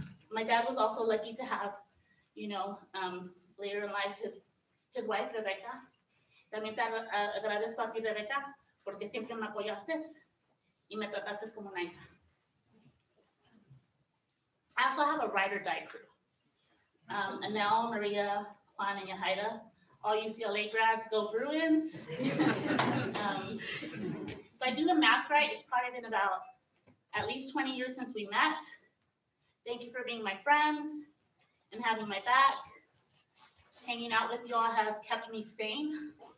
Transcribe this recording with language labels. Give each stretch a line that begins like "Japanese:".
English: My dad was also lucky to have, you know, later in life, his wife, Rebecca.
Spanish: También te agradezco a ti, Rebecca, porque siempre me apoyaste y me trataste como una hija.
English: I also have a ride or die crew. Anel, Maria, Juan, and Yahaira, all UCLA grads, go Bruins. If I do the math right, it's probably been about at least 20 years since we met. Thank you for being my friends and having my back. Hanging out with you all has kept me sane.